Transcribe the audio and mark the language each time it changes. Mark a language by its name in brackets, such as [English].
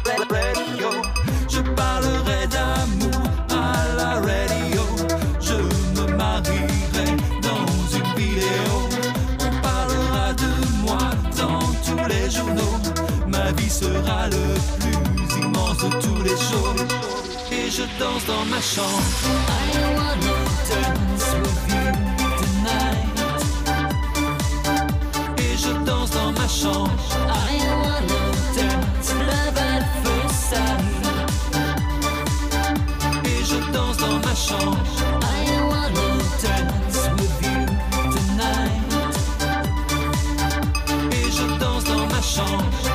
[French] Radio. Je parlerai d'amour à la radio. Je me marierai dans une vidéo. On parlera de moi dans tous les journaux. Ma vie sera le plus immense de tous les jours. Et je danse dans ma chambre. [English] I wanna dance with you tonight. [French] Et je danse dans ma chambre. [English] I wanna dance love at first sight. [French] Et je danse dans ma chambre. [English] I wanna dance with you tonight. [French] Et je danse dans ma chambre.